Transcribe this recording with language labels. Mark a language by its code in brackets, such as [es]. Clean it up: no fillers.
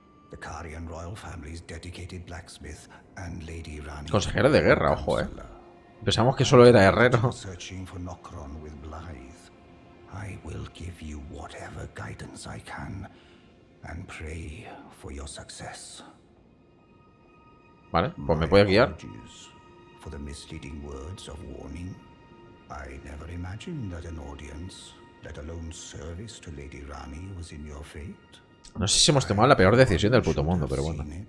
[en] The Carian royal family's dedicated blacksmith and Lady Rani. [es] Consejero de guerra, ojo, Pensamos que solo era herrero. [en] Searching for Nokron with Blythe. I will give you whatever guidance I can and pray for your success. [es] Vale, pues me puede guiar. [en] For the misleading words of warning. I never imagined that an audience, let alone service to Lady Rani, was in your fate. [es] No sé si hemos tomado la peor decisión del puto mundo, pero bueno.